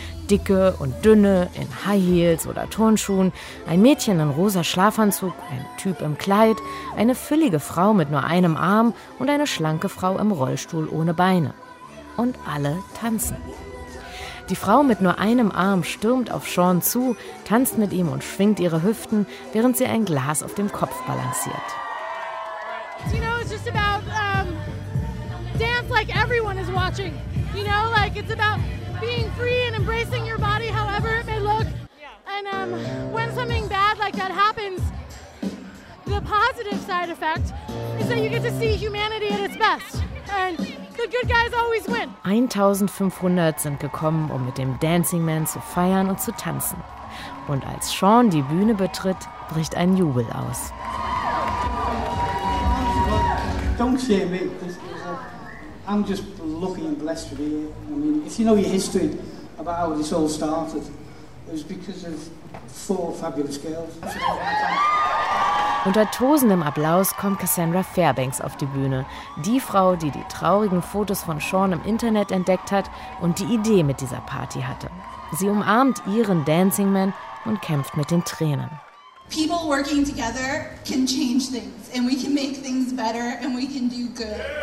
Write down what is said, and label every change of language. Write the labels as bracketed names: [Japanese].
[German] Dicke und dünne, in High Heels oder Turnschuhen, ein Mädchen in rosa Schlafanzug, ein Typ im Kleid, eine füllige Frau mit nur einem Arm und eine schlanke Frau im Rollstuhl ohne Beine. Und alle tanzen. Die Frau mit nur einem Arm stürmt auf Sean zu, tanzt mit ihm und schwingt ihre Hüften, während sie ein Glas auf dem Kopf balanciert. [English] You know, it's just about dance like everyone is watching. You know, like it's about being free and embracing your body however it may look. And when something bad like that happens, the positive side effect is that you get to see humanity at its best. And the good guys always win. [German] 1500 sind gekommen, um mit dem Dancing Man zu feiern und zu tanzen. Und als Sean die Bühne betritt, bricht ein Jubel aus. [English] Don't say me. I'm just lucky and blessed to be here. I mean, if you know your history about how this all started, it was because of 4 fabulous girls. [German] Unter tosendem Applaus kommt Cassandra Fairbanks auf die Bühne. Die Frau, die die traurigen Fotos von Sean im Internet entdeckt hat und die Idee mit dieser Party hatte. Sie umarmt ihren Dancing Man und kämpft mit den Tränen. [English] People working together can change things and we can make things better and we can do good.